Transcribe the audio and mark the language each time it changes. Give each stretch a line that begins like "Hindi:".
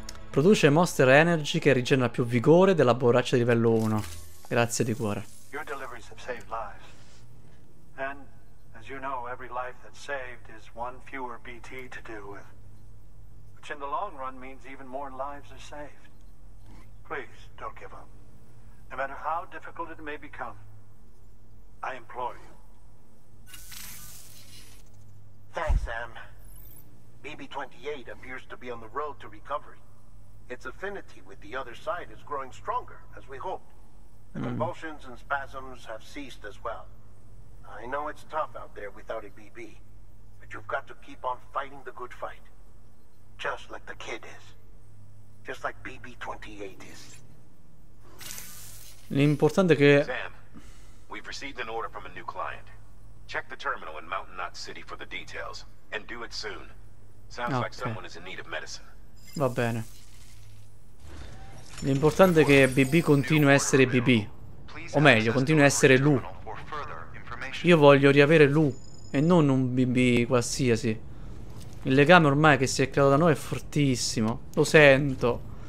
Italian: Produce Monster Energy che rigenera più vigore della borraccia di livello 1. Grazie di cuore.
English: Your deliveries have saved lives. And as you know, every life that's saved is one fewer BT to deal with. Which in the long run means even more lives are saved. Please, don't give up. No matter how difficult it may become, I implore you. Thanks, Sam. BB-28 appears to be on the road to recovery. Its affinity with the other side is growing stronger, as we hoped. The convulsions and spasms have ceased as well. I know it's tough out there without a BB, but you've got to keep on fighting the good fight. Just like the kid is. Just like BB-28 is.
Italian: L'importante che...
English: Sam, we've received an order from a new client. Check the terminal in Mountain Knot City for the details, and do it soon. Sounds like someone is in need of medicine.
Italian: Va bene. L'importante è che BB continui a essere BB. O meglio, continui a essere Lu. Io voglio riavere Lu e non un BB qualsiasi. Il legame ormai che si è creato da noi è fortissimo. Lo sento.